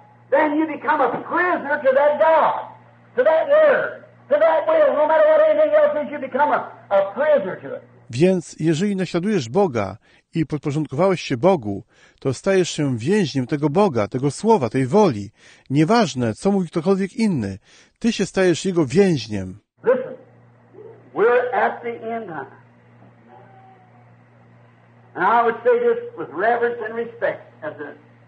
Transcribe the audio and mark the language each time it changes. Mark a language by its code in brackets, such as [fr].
[en] Then you become a prisoner to that God, to that word, to that will, no matter what anything else is, you become a prisoner to it. [pl] Więc jeżeli naśladujesz Boga i podporządkowałeś się Bogu, to stajesz się więźniem tego Boga, tego słowa, tej woli. Nieważne, co mówi ktokolwiek inny, ty się stajesz jego więźniem. [en] Listen, we're at the end time. And I would say this with reverence and respect as a